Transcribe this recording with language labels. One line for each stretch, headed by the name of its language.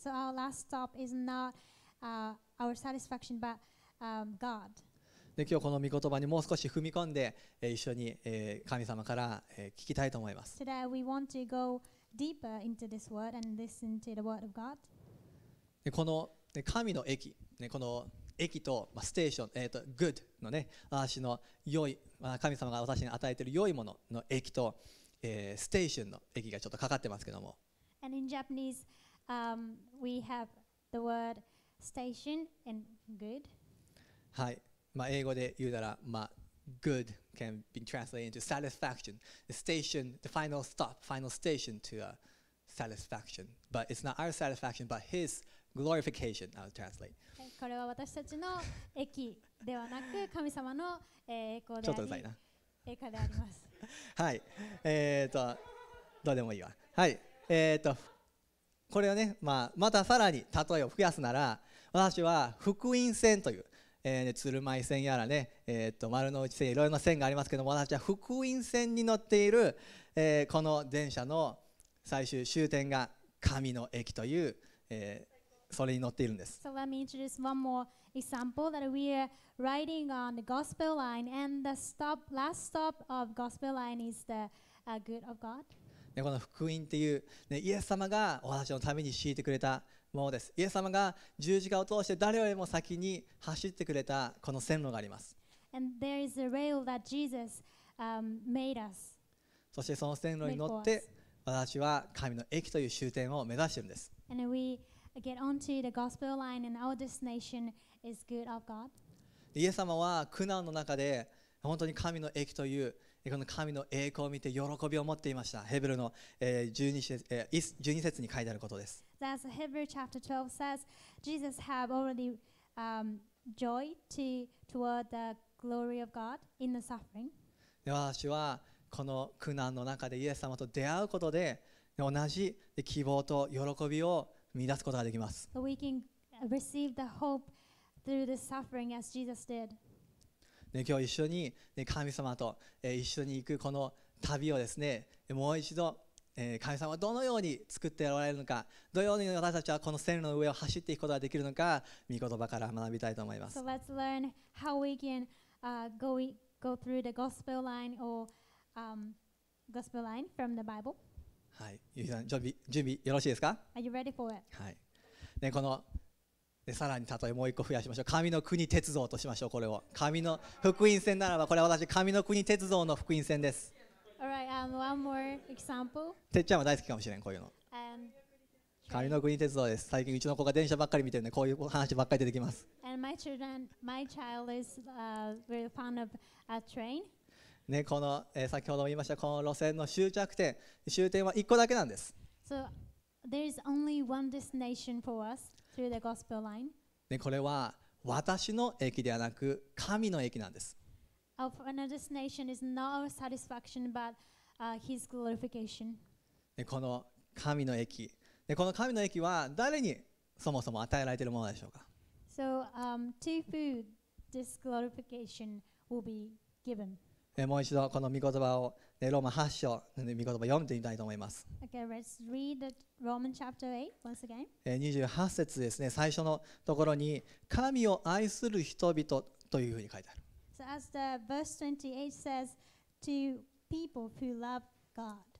English: So our last stop is not our satisfaction but God.
Japanese: で今日この御言葉にもう少し踏み込んで、一緒に、神様から、聞きたいと思います。
English: Today we want to go deeper into this word and listen to the word of God.
Japanese: でこの神の駅、ね、この駅とステーション、good のね、私の良い、神様が私に与えている良いものの駅と、ステーションの駅がちょっとかかってますけども。
English: And in Japanese, we have the word station and good.
Japanese: はい。まあ、英語で言うなら、まあ、
English: good can be translated into satisfaction. The station, the final stop, final station to a satisfaction. But it's not our satisfaction, but his glorification, I'll translate.
Japanese: これは私たちの駅ではなく神様の栄光であり、ちょっとうざいな。栄華であります。はい、どうでもいいわ。はい、これをね、まあ、またさらに例えを増やすなら、私は福音線という、ね、鶴舞線やらね、丸の内線、いろいろな線がありますけども、私は福音線に乗っている、この電車の最終終点が神の駅という、それに乗っているんです。
English: So let me introduce one more example that we are riding on the gospel line and the stop, last stop of gospel line is the good of God.
Japanese: この福音っていう、ね、イエス様が私のために敷いてくれたものです。イエス様が十字架を通して誰よりも先に走ってくれたこの線路があります。
English: And there is a rail that Jesus, made us.
Japanese: そしてその線路に乗って私は神の駅という終点を目指しているんです。
English: And weget onto the gospel line and our destination is good of God.
Japanese: イエス様は苦難の中で本当に神の益というこの神の栄光を見て喜びを持っていました。ヘブルの12節に書いてあることです。
English: as Hebrews chapter 12 says, Jesus had already joy toward the glory of God in the suffering.
Japanese: 私はこの苦難の中でイエス様と出会うことで同じ希望と喜びを見出すことができます。
English: So we can receive the hope through the suffering as Jesus did.
Japanese: ね、今日一緒に、ね、神様と、一緒に行くこの旅をですね、もう一度、神様はどのように作っておられるのか、どのように私たちはこの線路の上を走っていくことができるのか、御言葉から学びたいと思います。
English: So let's learn how we can go through the gospel line or gospel line from the Bible.
Japanese: はい、ゆうさん、準備よろしいですか？
English: Are you ready for it?
Japanese: はい。ね、このでさらに例えもう一個増やしましょう。神の国鉄道としましょう。これを神の福音線ならば、これは私神の国鉄道の福音線です。
English: Alright, one more example.
Japanese: てっちゃんも大好きかもしれん、こういうの。神の国鉄道です。最近うちの子が電車ばっかり見てるんで、こういう話ばっかり出てきます。
English: And my child is very fond of a train.
Japanese: ね、この、先ほども言いましたこの路線の終着点、終点は1個だけなんです。
English: So there is only one destination for us. Through the gospel line.
Japanese: ね、これは私の益ではなく神の益なんです。
English: Our destination is not our satisfaction but his glorification.、
Japanese: ね、この神の益、ね、この神の益は誰にそもそも与えられているものでしょうか。
English: So to who this glorification will be given、
Japanese: ね、もう一度この御言葉を、ね、ローマ8章の御言葉読んでみたいと思います。
English: Okay, let's read the Romans chapter 8 once again.
Japanese: 28節ですね。最初のところに神を愛する人々というふうに書いてある。
English: So as the verse 28 says, to people who love God.